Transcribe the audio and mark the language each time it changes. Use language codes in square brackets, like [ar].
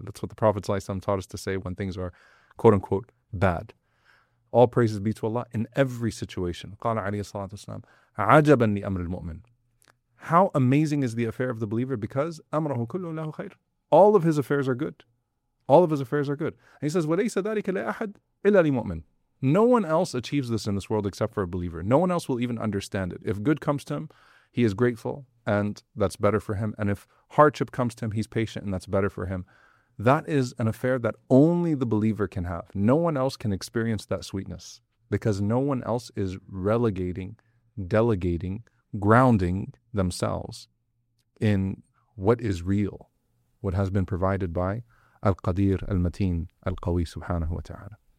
[en] That's what the Prophet ﷺ taught us to say when things are quote unquote bad. All praises be to Allah in every situation. [ar] Qala alayhi salatu wasalam, ajaban li amr al-mu'min. [en] How amazing is the affair of the believer, because [ar] amrahu kullu lahu khair. [en] All of his affairs are good. All of his affairs are good. And he says, [ar] وَلَيْسَ ذَلِكَ لِأَحَدْ إِلَّا لِمُؤْمِنِ. [en] No one else achieves this in this world except for a believer. No one else will even understand it. If good comes to him, he is grateful, and that's better for him. And if hardship comes to him, he's patient, and that's better for him. That is an affair that only the believer can have. No one else can experience that sweetness, because no one else is relegating, delegating, grounding themselves in what is real, what has been provided by Al-Qadir, Al-Mateen, Al-Qawi, subhanahu wa ta'ala.